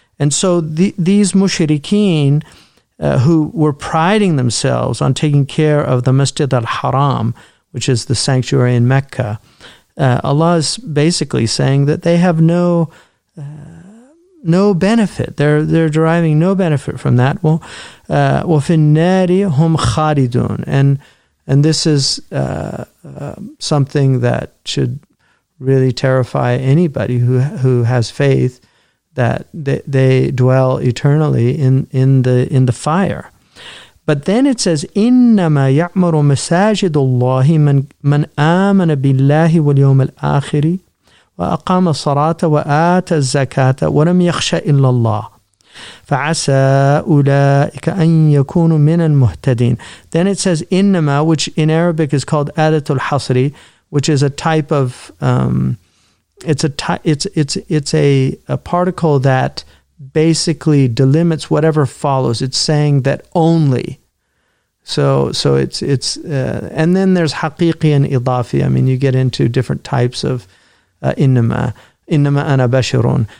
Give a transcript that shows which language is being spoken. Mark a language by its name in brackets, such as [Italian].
[English] And so these mushrikeen who were priding themselves on taking care of the Masjid al-Haram, which is the sanctuary in Mecca, Allah is basically saying that they have no benefit. They're deriving no benefit from that. Well, [Arabic] فِي النَّارِ هُمْ خَارِدُونَ. [English] And this is something that should really terrify anybody who has faith that they dwell eternally in the fire. But then it says, [Arabic] إِنَّمَا يَعْمَرُ مَسَاجِدُ اللَّهِ مَنْ آمَنَ بِاللَّهِ وَالْيَوْمِ الْآخِرِ وَأَقَامَ الصَّلَاةَ وَآتَ الزَّكَاةَ وَلَمْ يَخْشَ إِلَّا اللَّهِ فَعَسَىٰ أُولَٰئِكَ أَن يَكُونُوا مِنَ الْمُهْتَدِينَ. [English] Then it says إِنَّمَا, which in Arabic is called آدَةُ الْحَصْرِ, which is a type of, it's a particle that basically delimits whatever follows. It's saying that only. So it's and then there's haqiqi and idafi. I mean, you get into different types of [Arabic] innama ana basharun.